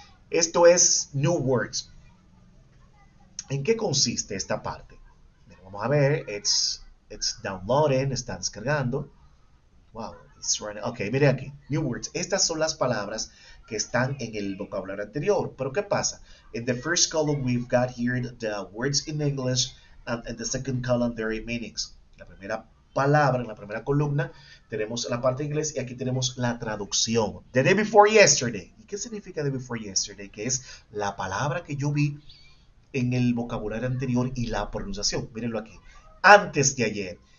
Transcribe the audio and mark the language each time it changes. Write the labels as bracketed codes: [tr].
[es] Esto es New Words. ¿En qué consiste esta parte? Miren, vamos a ver, [en] it's downloading, [es] está descargando. [en] Wow, it's running. [es] Ok, mire aquí. New words. Estas son las palabras que están en el vocabulario anterior. Pero ¿qué pasa? [en] In the first column we've got here the words in English and in the second column their meanings. [es] La primera palabra, en la primera columna, tenemos la parte de inglés y aquí tenemos la traducción. [en] The day before yesterday. [es] ¿Y qué significa [en] the day before yesterday? [es] Que es la palabra que yo vi en el vocabulario anterior y la pronunciación. Mírenlo aquí. Antes de ayer.